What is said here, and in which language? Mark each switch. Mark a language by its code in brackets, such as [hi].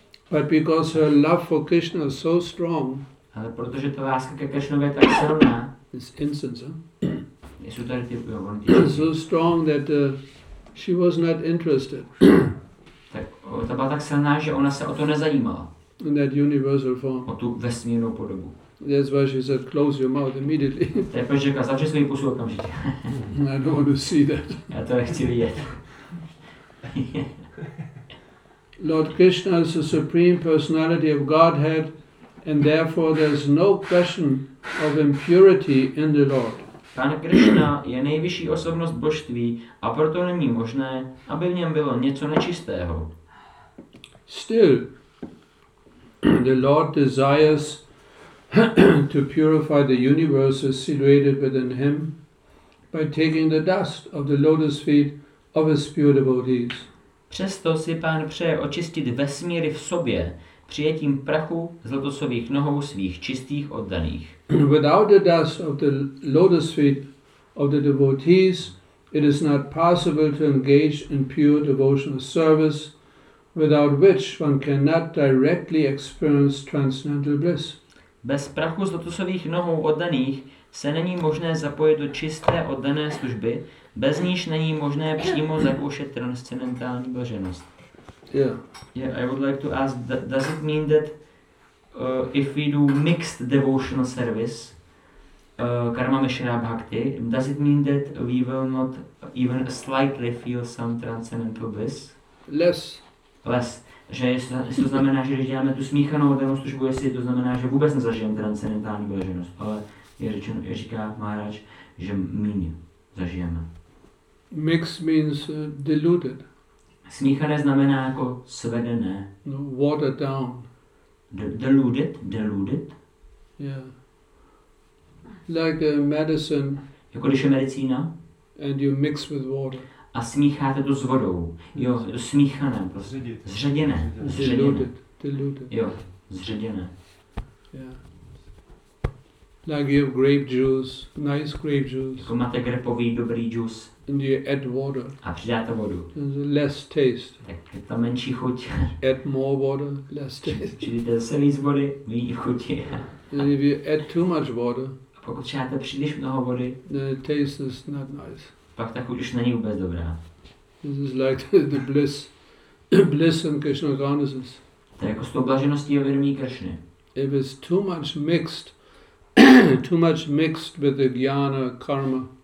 [en] But because her love for Krishna is so strong, [cs] ale protože ta láska ke Krishnovi je tak silná, [en] this incense, [cs] jsou tady ty vonky, [en] so strong that she was not interested. [cs] Tak ta byla tak silná, že ona se o to nezajímala. [en] In that universal form. [cs] O tu vesmírnou podobu. [en] That's why she said, "Close your mouth immediately." [cs] Takže řekla, zavři svůj pusu okamžitě. [en] I don't want to see that. [cs] Já to nechci vidět. [en] Lord Krishna is the supreme personality of Godhead, and therefore there is no question of impurity in the Lord. [cs] Pán Krishna je nejvyšší osobnost božství, a proto není možné, aby v něm bylo něco nečistého. [en] Still, the Lord desires to purify the universe is situated within him by taking the dust of the lotus feet of his pure devotees. [cs] Přesto si pán přeje očistit vesmíry v sobě přijetím prachu z lotosových nohou svých čistých oddaných. [en] Without the dust of the lotus feet of the devotees, it is not possible to engage in pure devotional service, without which one cannot directly experience transcendental bliss. [cs] Bez prachu z lotosových nohou oddaných se není možné zapojit do čisté oddané služby, bez níž není možné přímo zakoušet transcendentální blaženost. [en] Yeah. I would like to ask, does it mean that if we do mixed devotional service, karma mishra bhakti, does it mean that we will not even slightly feel some transcendental bliss? Less. Less. [cs] Že jestli to znamená, že když děláme tu smíchanou oddanou službu, jestli to znamená, že vůbec nezažijeme transcendentální blaženost. Ale je řečeno, je říká Maharaj, že míň zažijeme. [en] Mixed means diluted. [cs] Smíchané znamená jako svedené. [en] No, watered down. Diluted. Yeah. Like a medicine. [cs] Jako když je medicína. [en] And you mix with water. [cs] A smícháte to s vodou. Jo, smíchané, prostě. Zředěné. [en] Diluted. [cs] Jo, zředěné. [en] Yeah. Like you have grape juice, nice grape juice. [cs] Jako máte grepový dobrý džus. [en] And you add water. [cs] A přidáte vodu. [en] There's less taste. [cs] Tak je to menší chuť. [en] Add more water, less taste. [cs] Přidáte se víc vody, méně chutí. [en] And if you add too much water. [cs] A pokud přidáte příliš mnoho vody. [en] The taste is not nice. [cs] Pak ta chuť už není vůbec dobrá. [en] This is like the bliss, bliss in Krishna consciousness. [cs] Jako stoblažeností a vědomí Krishny. [en] If it's too much mixed with the jnana karma.